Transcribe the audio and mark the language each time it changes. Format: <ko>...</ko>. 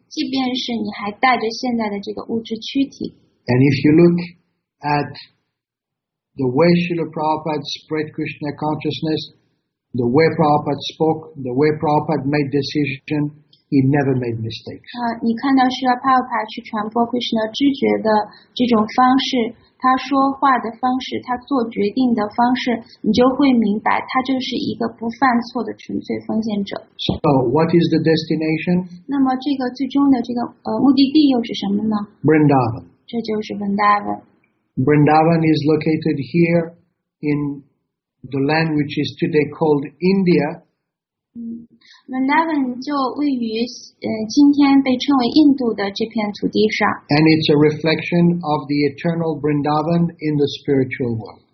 <zh>即便是你还带着现在的这个物质躯体。</zh> <en>And if you look at the way Srila Prabhupada spread Krishna consciousness, the way Prabhupada spoke, the way Prabhupada made decision. He never made mistakes.</en> <zh>你看到释迦牟尼佛去传播 Krishna 知觉的这种方式，他说话的方式，他做决定的方式，你就会明白，他就是一个不犯错的纯粹奉献者。</zh> <en>So, what is the destination?</en> <zh>那么这个最终的这个目的地又是什么呢？</zh> <en>Vrindavan.</en> <zh>这就是 Vrindavan.</zh> <en>Vrindavan is located here in the land which is today called India.</en> <zh>Vrindavan 就位于今天被称为印度的这片土地上。</zh> <en>And it's a reflection of the eternal Vrindavan in the spiritual world.</en>